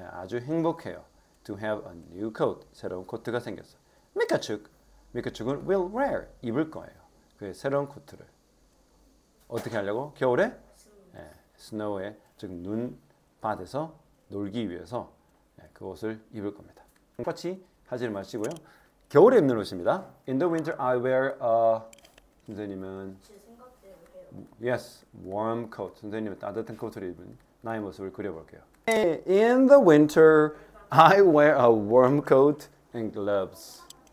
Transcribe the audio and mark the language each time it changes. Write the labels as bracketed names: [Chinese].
[Korean] 예, 아주 행복해요. [English] To have a new coat. [Korean] 새로운 코트가 생겼어. Mikachuk. Mikachuk은 [English] will wear. [Korean] 입을 거예요. 그 새로운 코트를. 어떻게 하려고? 겨울에? 예, snow에 즉 눈밭에서 놀기 위해서 그 옷을 입을 겁니다. 똑같이 하지 마시고요. 겨울에 입는 옷입니다. [English] In the winter, I wear a [Korean] 선생님은 [English] yes, warm coat. [Korean] 선생님은 따뜻한 코트를 입은 나의 모습을 그려볼게요. [English] In the winter, I wear a warm coat and gloves.